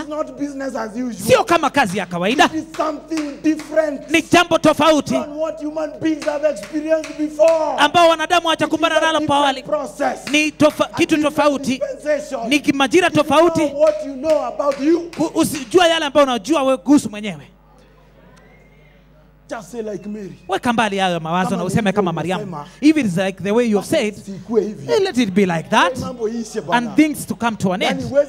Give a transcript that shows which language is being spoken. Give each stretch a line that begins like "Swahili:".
English: It's not business as usual.
Swahili: Sio kama kazi ya kawaida.
English: It is something different.
Swahili: Ni jambo tofauti.
English: From what human beings have experienced before.
Swahili: Ambao wanadamu hawajakumbana nalo hapo awali.
English: Process.
Swahili: Ni kitu tofauti. Ni kimajira tofauti.
English: You know what you know about you.
Swahili: Usijua yale ambayo unajua wewe kuhusu mwenyewe.
English: Just say like Mary.
Swahili: Weka mbali hayo mawazo na useme kama Mariamu.
English: Even like the way you said, let it be like that. And things to come to an end.